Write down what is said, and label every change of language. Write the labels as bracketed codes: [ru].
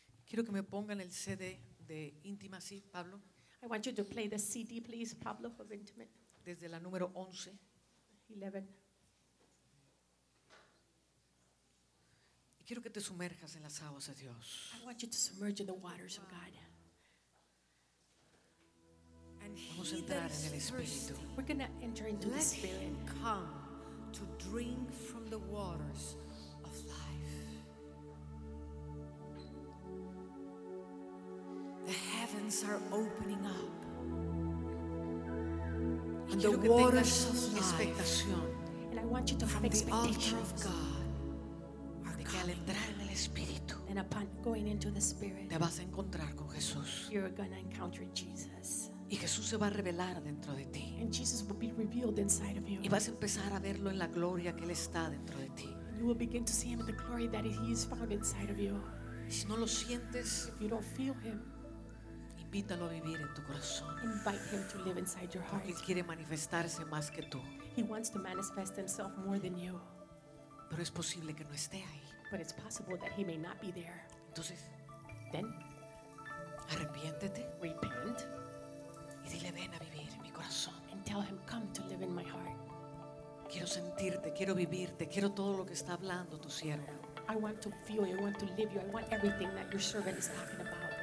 [es] Quiero que me pongan el CD de Íntima, sí, Pablo. [en] I want you to play the CD, please, Pablo, of Intimate. [es] Desde la número 11. 11. Y quiero que te sumerjas en las aguas de Dios. [en] I want you to submerge in the waters of God. [es] And vamos a entrar en el Espíritu. [en] We're going to enter into Let the Spirit. Let him come to drink from the waters of life. The heavens are opening up, and the waters of life, and I want you to have expectation of God are [es] de que al entrar en el Espíritu, [en] and upon going into the Spirit, [es] te vas a encontrar con Jesús. [en] You're going to encounter Jesus. [es] Y Jesús se va a revelar dentro de ti. [en] And Jesus will be revealed inside of you. [es] Y vas a empezar a verlo en la gloria que Él está dentro de ti. [en] You will begin to see Him in the glory that He is found inside of you. [es] Si no lo sientes, [en] if you don't feel Him, [es] invítalo a vivir en tu corazón. [en] Invite Him to live inside your heart. [es] Porque Él quiere manifestarse más que tú. [en] He wants to manifest Himself more than you. [es] Pero es posible que no esté ahí. [en] But it's possible that He may not be there. [es] Entonces, [en] then, [es] arrepiéntete. [en] Repent. [es] Y dile, ven a vivir en mi corazón. [en] And tell Him, come to live in my heart. [es] Quiero sentirte, quiero vivirte, quiero todo lo que está hablando tu siervo. [en] I want to feel you, I want to live you, I want everything that your servant is talking about.